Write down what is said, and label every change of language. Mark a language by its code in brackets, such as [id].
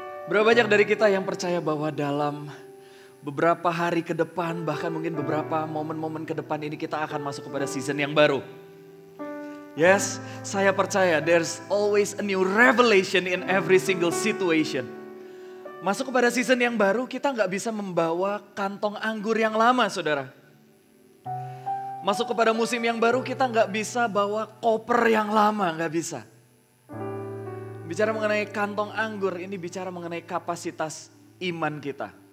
[id] Berapa banyak dari kita yang percaya bahwa dalam beberapa hari ke depan, bahkan mungkin beberapa momen-momen ke depan ini, kita akan masuk kepada season yang baru. [en] Yes, [id] saya percaya [en] there's always a new revelation in every single situation. [id] Masuk kepada season yang baru, kita gak bisa membawa kantong anggur yang lama, saudara. Masuk kepada musim yang baru, kita gak bisa bawa koper yang lama, gak bisa. Bicara mengenai kantong anggur, ini bicara mengenai kapasitas iman kita.